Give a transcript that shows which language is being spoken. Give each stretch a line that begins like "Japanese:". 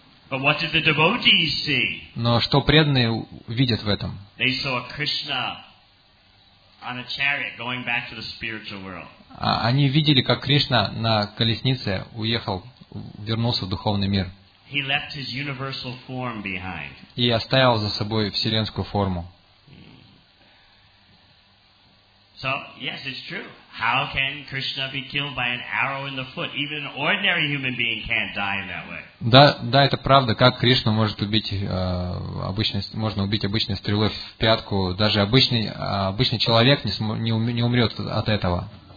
English: But what did the devotees see?
Russian: Но что преданные видят в этом?
English: They saw Krishna on a chariot going back to the spiritual world.
Russian: Они видели, как Кришна на колеснице уехал, вернулся в духовный мир.
English: He left his universal form behind.
Russian: И оставил за собой вселенскую форму.
English: So, yes, it's true. How can Krishna be killed by an arrow in the foot? Even an ordinary human being can't die in that way.
Russian: Да, это правда. Как Кришну может убить обычной стрелой в пятку? Даже обычный человек не умрет от этого.